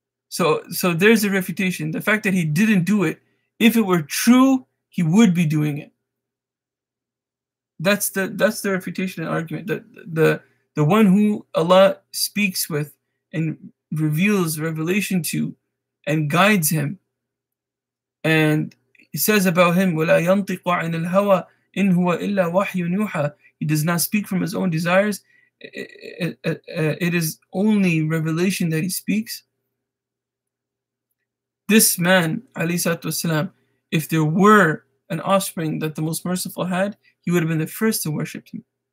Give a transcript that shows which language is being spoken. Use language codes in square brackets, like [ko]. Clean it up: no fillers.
[en] So there's a refutation. The fact that he didn't do it, if it were true, he would be doing it. That's the refutation and argument. The one who Allah speaks with and reveals revelation to and guides him. And he says about him, [ar] وَلَا يَنْطِقُ عَنِ الْهَوَىٰ إِنْ هُوَ إِلَّا وَحْيٌ يُوحَىٰ. [en] He does not speak from his own desires. It is only revelation that he speaks. This man, عليه الصلاة والسلام, if there were an offspring that the Most Merciful had, he would have been the first to worship him.